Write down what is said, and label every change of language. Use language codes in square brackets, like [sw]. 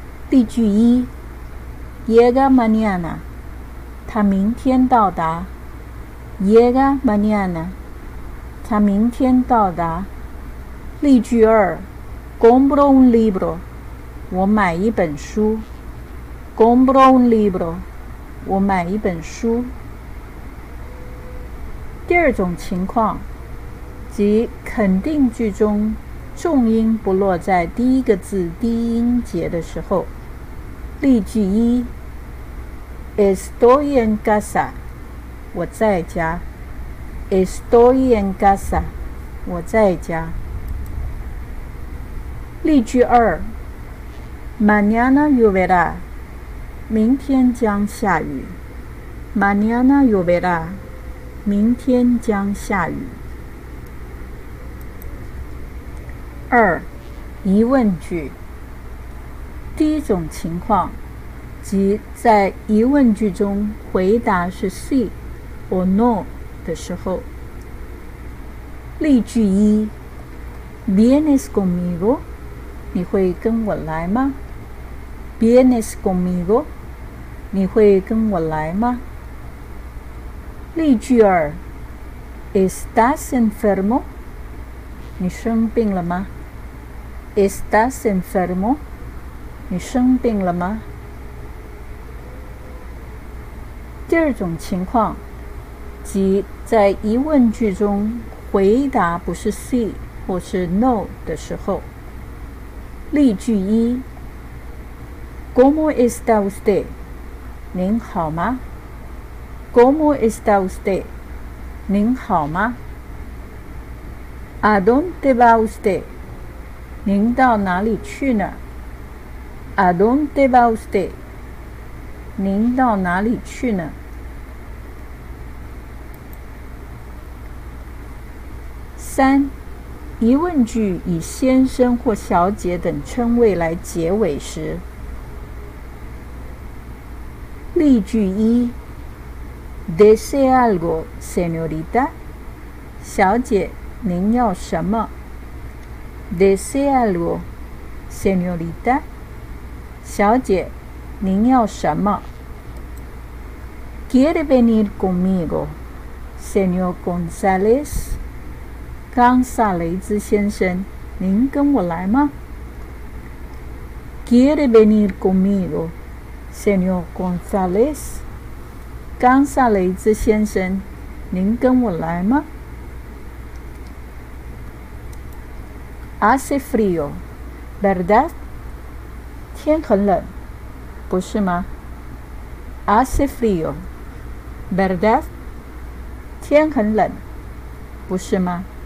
[zh] 例句一， [es] Llega mañana， [zh] 他明天到达。 [es] Llega mañana， [zh] 他明天到达。例句二， [es] Compro un libro， [zh] 我买一本书。 [es] Compro un libro， [zh] 我买一本书。第二种情况，即肯定句中重音不落在第一个字低音节的时候。例句一， [es] Estoy en casa， [zh] 我在家。 [es] Estoy en casa， [zh] 我在家。例句二， [es] Mañana lloverá， [zh] 明天将下雨。 [es] Mañana lloverá， [zh] 明天将下雨。二，疑问句。第一种情况，即在疑问句中回答是 sí or no 的时候。例句一， [es] ¿Vienes conmigo? [zh] 你会跟我来吗？ [es] ¿Vienes conmigo? [zh] 你会跟我来吗？例句二， [es] ¿Estás enfermo? [zh] 你生病了吗？ [es] Estás enfermo? [zh] 你生病了吗？第二种情况，即在疑问句中回答不是 sí 或是 no 的时候。例句一， [es] ¿Cómo está usted? [zh] 您好吗？ [es] ¿Cómo está usted? [zh] 您好吗？ [es] ¿A dónde va usted? [zh] 您到哪里去呢？ [es] ¿A dónde va usted? [zh] 您到哪里去呢？三，疑问句以先生或小姐等称谓来结尾时。例句一， [es] ¿Desea algo, señorita? [zh] 小姐，您要什么？ [es] Desea algo, señorita? [zh] 小姐，您要什么？ [es] ¿Quiere venir conmigo, señor González? [zh] González 先生，您跟我来吗？ [es] ¿Quiere venir conmigo, señor González? [zh] González 先生，您跟我来吗？ [es] Hace frío, ¿verdad? [zh] 天很冷，不是吗？ [es] Hace frío, ¿verdad? [zh] 天很冷，不是吗？